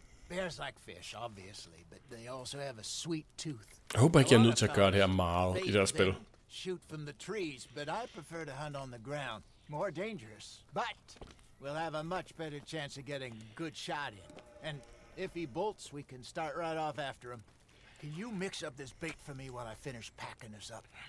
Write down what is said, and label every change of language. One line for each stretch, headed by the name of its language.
English: Bears like fish, obviously, but they also have a sweet tooth.
Danish: Jeg håber ikke, jeg er nødt til at gøre det her meget i deres spil.
English: Shoot from the trees, but I prefer to hunt on the ground. More dangerous, but we'll have a much better chance of getting a good shot in. And if he bolts, we can start right off after him. Can you mix up this bait for me while I finish packing this up?